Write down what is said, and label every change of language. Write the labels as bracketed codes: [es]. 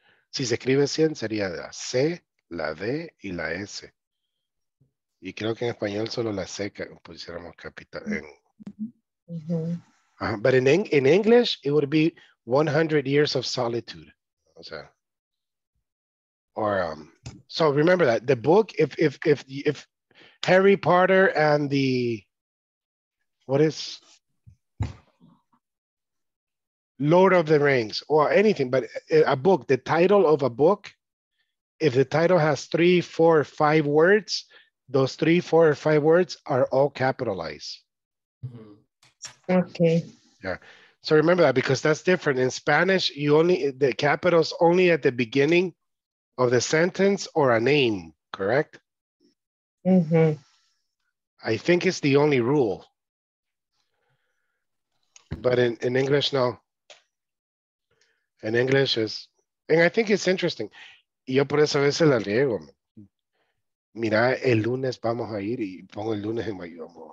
[es] Si se escribe 100, sería la C, la D y la S. Y creo que en español solo la C pusiéramos capital. Mm-hmm. [en] But in English, it would be 100 years of solitude. [es] O sea. [en] So remember that the book, if Harry Potter and the, what is Lord of the Rings or anything, but a book, the title of a book, if the title has 3, 4, 5 words, those 3, 4, or 5 words are all capitalized. Okay. Yeah. So remember that, because that's different. In Spanish, you only the capitals only at the beginning of the sentence or a name, correct? Mm-hmm. I think it's the only rule. But in English, no. In English is, and I think it's interesting. [es] Yo por eso a veces la riego. Mira, el lunes vamos a ir y pongo el lunes en mayo.